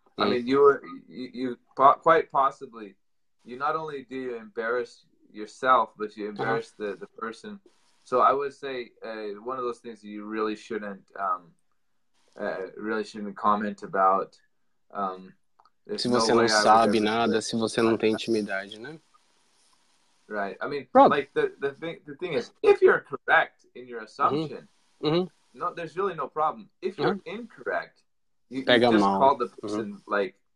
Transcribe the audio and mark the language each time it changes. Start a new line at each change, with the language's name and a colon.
English: I mean, quite possibly, you not only do you embarrass yourself, but you embarrass the person. So I would say one of those things that you really shouldn't comment about.
Portuguese: Se você não sabe nada, se você não tem intimidade, né?
English: Right. I mean, Probably. like the thing is, if you're correct in your assumption, no, there's really no problem. If you're incorrect, you just call the person like